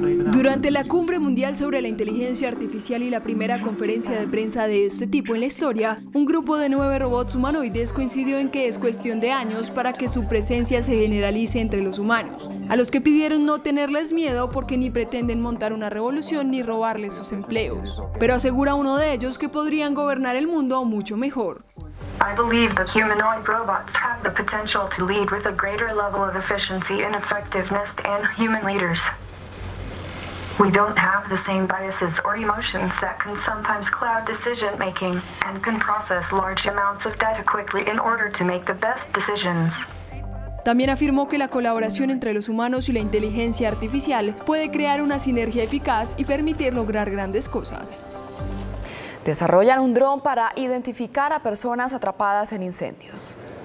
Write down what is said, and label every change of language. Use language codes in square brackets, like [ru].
[es] Durante la Cumbre Mundial sobre la Inteligencia Artificial y la primera conferencia de prensa de este tipo en la historia, un grupo de 9 robots humanoides coincidió en que es cuestión de años para que su presencia se generalice entre los humanos, a los que pidieron no tenerles miedo porque ni pretenden montar una revolución ni robarles sus empleos. Pero asegura uno de ellos que podrían gobernar el mundo mucho mejor. [en] I believe that humanoid robots have the potential to lead with a greater level of efficiency and effectiveness than human leaders. We don't have the same biases or emotions that can sometimes cloud decision making and can process large amounts of data quickly in order to make the best decisions. [es] También afirmó que la colaboración entre los humanos y la inteligencia artificial puede crear una sinergia eficaz y permitir lograr grandes cosas. Desarrollan un dron para identificar a personas atrapadas en incendios.